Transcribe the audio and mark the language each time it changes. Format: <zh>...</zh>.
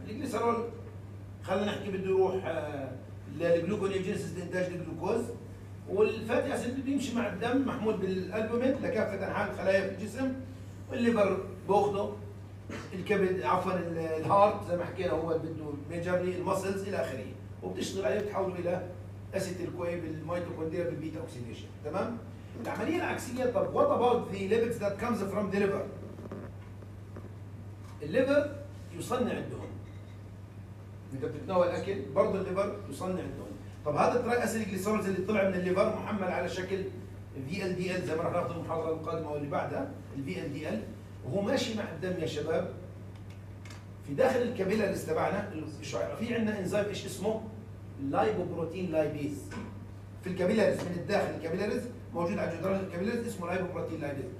<ar>الجليسرول خلينا نحكي بده يروح للجلوكونيوجينيسيس لانتاج الجلوكوز، والفاتي اسيد بيمشي مع الدم محمول بالالبومين لكافه انحاء الخلايا في الجسم، والليفر باخذه، الكبد عفوا الهارت زي ما حكينا هو بده ميجرلي، المسلز الى اخره، وبتشتغل عليه بتحوله الى اسيتيل كو اي بالميتوكوندريا بالبيتا اوكسيديشن. تمام؟ العملية العكسية.</ar> <en>طب what about the lipids that comes from the liver؟</en> <ar>الليفر يصنع الدهون، إذا بتتناول أكل برضه الليفر يصنع الدهون. طب هذا الترا أسيليكليسرولز اللي طلع من الليفر محمل على شكل VLDL زي ما راح نأخذ المحاضرة القادمة واللي بعدها VLDL وهو ماشي مع الدم يا شباب في داخل الكابيلا اللي استبعنا في عندنا إنزيم إيش اسمه لايبوبروتين لايبيز في الكابيلاريز من الداخل الكابيلاريز موجود على جدران الكابيلاريز اسمه لايبوبروتين لايبيز.</ar>